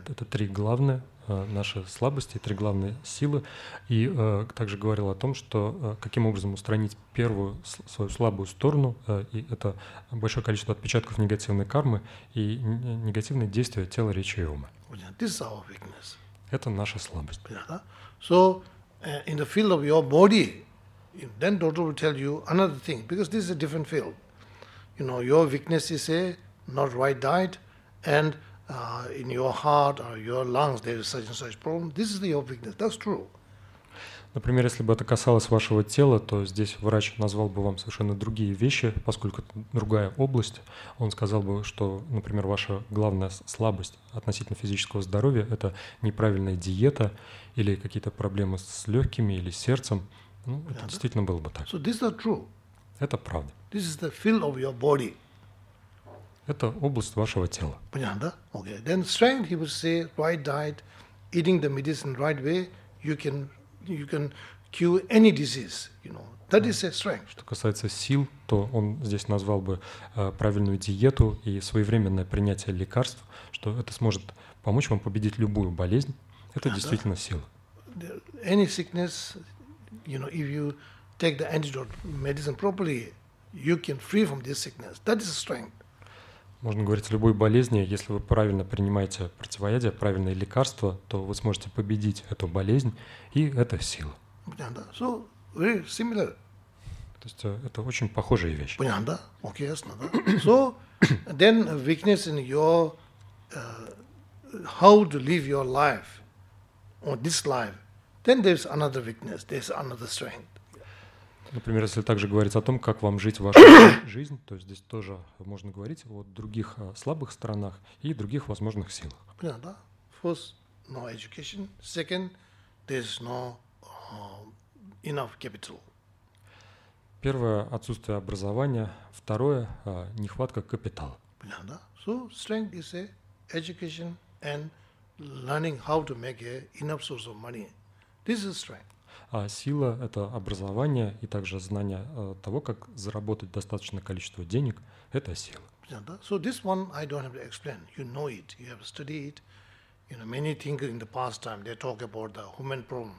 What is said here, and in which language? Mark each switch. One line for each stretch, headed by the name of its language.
Russian: Это три главные наши слабости и три главные силы. И также говорил о том, что каким образом устранить первую свою слабую сторону, и это большое количество отпечатков негативной кармы и негативные действия тела, речи и ума.
English: This is our weakness.
Russian: Это наша слабость.
English: Yeah. So, in the field of your body, then doctor will tell you another thing, because this is a different field. You know, your weakness is not right diet, and in your heart or your lungs there is such and such problem. This is your weakness. That's true.
Russian: Например, если бы это касалось вашего тела, то здесь врач назвал бы вам совершенно другие вещи, поскольку это другая область. Он сказал бы, что, например, ваша главная слабость относительно физического здоровья – это неправильная диета или какие-то проблемы с легкими или сердцем. Ну, это yeah, действительно было бы так.
English: So this is not true.
Russian: Это правда.
English: This is the field of your body.
Russian: Это область вашего тела. Понятно, да? Okay.
English: Then strength, he would say, right diet, eating the medicine right way, you can cure any disease, you know. That is a strength. Что касается сил, то он здесь назвал бы правильную диету и своевременное принятие лекарств, что это сможет помочь вам победить любую болезнь. Это действительно сила. Any sickness, you know, if you take the antidote medicine properly, you can free from this sickness. That is a strength.
Russian: Можно говорить о любой болезни, если вы правильно принимаете противоядие, правильные лекарства, то вы сможете победить эту болезнь, и это сила. Понятно, да?
English: So, very similar.
Russian: То есть это очень похожие вещи. Понятно, да? Окей, ясно, да?
English: So, then weakness in your, how to live your life, or this life, Then there's another weakness, there's another strength.
Russian: Например, если также говорить о том, как вам жить вашу жизнь, то здесь тоже можно говорить о других слабых сторонах и других возможных силах.
English: Да. First, no education. Second, there's no enough capital.
Russian: Первое – отсутствие образования. Второе – нехватка капитала. Да.
English: So, strength is education and learning how to make enough source of money. This is strength.
Russian: А сила – это образование и также знание того, как заработать достаточное количество денег – это сила.
English: So this one I don't have to explain. You know it. You have studied it. You know, many thinkers in the past time, they talk about the human problem.